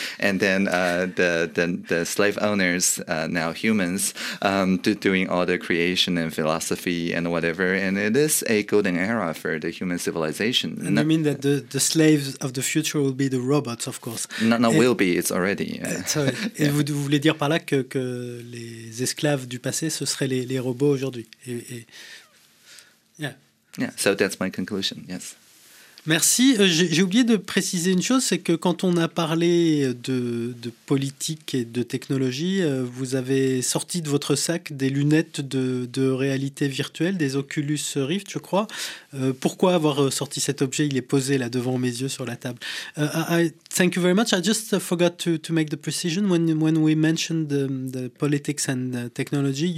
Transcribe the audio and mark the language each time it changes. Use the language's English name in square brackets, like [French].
[English] And then the slave owners, now humans, doing all the creation and philosophy and whatever. And it is a golden era for the human civilization. And I mean that the slaves of the future will be the robots, of course. Will be, it's already. [French] Et vous voulez dire par là que les esclaves du passé, ce seraient les robots aujourd'hui. [English] So that's my conclusion, yes. [French] Merci. J'ai oublié de préciser une chose, c'est que quand on a parlé de politique et de technologie, vous avez sorti de votre sac des lunettes de réalité virtuelle, des Oculus Rift, je crois. Pourquoi avoir sorti cet objet? Il est posé là devant mes yeux sur la table. [English] Thank you very much. I just forgot to make the precision when we mentioned the politics and the technology.